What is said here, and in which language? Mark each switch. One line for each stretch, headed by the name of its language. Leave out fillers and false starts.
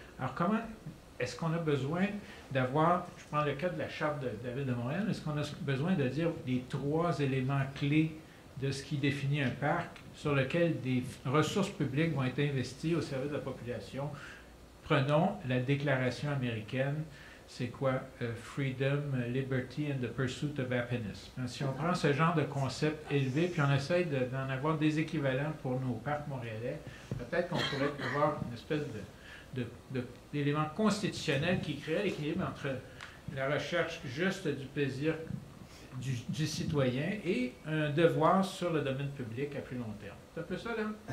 French: Alors, comment est-ce qu'on a besoin d'avoir, je prends le cas de la charte de la ville de Montréal, est-ce qu'on a besoin de dire les trois éléments clés de ce qui définit un parc sur lequel des ressources publiques vont être investies au service de la population? Prenons la déclaration américaine. C'est quoi?
English: Freedom, liberty and the pursuit of happiness.
French: Ben, si on prend ce genre de concept élevé, puis on essaye d'en avoir des équivalents pour nos parcs montréalais, peut-être qu'on pourrait avoir une espèce d'élément constitutionnel qui crée l'équilibre entre la recherche juste du plaisir du citoyen et un devoir sur le domaine public à plus long terme. C'est un peu ça, là?